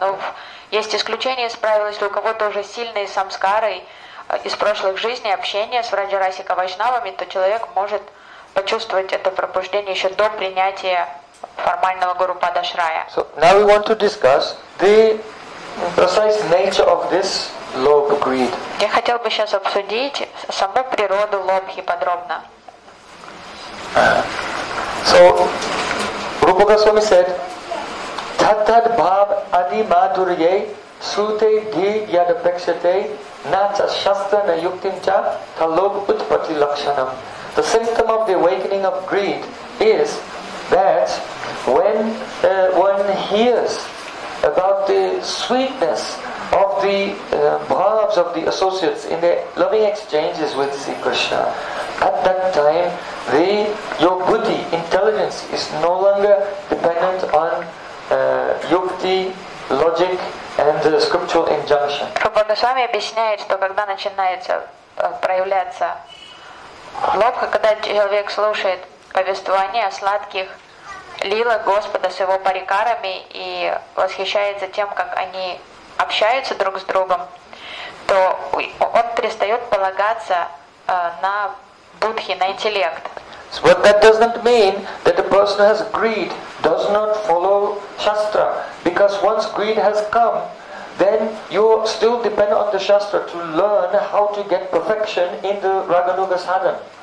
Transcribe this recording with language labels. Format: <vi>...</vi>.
<ru>Но есть исключение из правил, если у кого-то уже сильные самскары из прошлых жизней, общение с Vrajarasika Vaishnavami, то человек может почувствовать это пробуждение еще до принятия формального Гуру Падашрая.</ru> <en>So now we want to discuss the precise nature of this lobh greed.</en> <ru>Я хотел бы сейчас обсудить саму природу лобхи подробно.</ru> <en>So Rupa Goswami said,</en> <sa>Tathat bhav adi madhurye srute dhi yad apekshate na cha shastra na yuktim cha tha lobh utpati lakshanam.</sa> <en>The symptom of the awakening of greed is that when one hears about the sweetness of the bhavs of the associates in their loving exchanges with Sri Krishna, at that time your buddhi, intelligence, is no longer dependent on yukti, logic and the scriptural injunction.</en> <ru>Rupa Goswami объясняет, что когда начинается проявляться лобха, когда человек слушает повествование о сладких лилах Господа с его парикарами и восхищается тем, как они общаются друг с другом, то он перестает полагаться на будхи, на интеллект.</ru> <en>But that does not mean that a person has greed, does not follow shastra, because once greed has come, then you still depend on the shastra to learn how to get perfection in the raganuga sadhana.</en>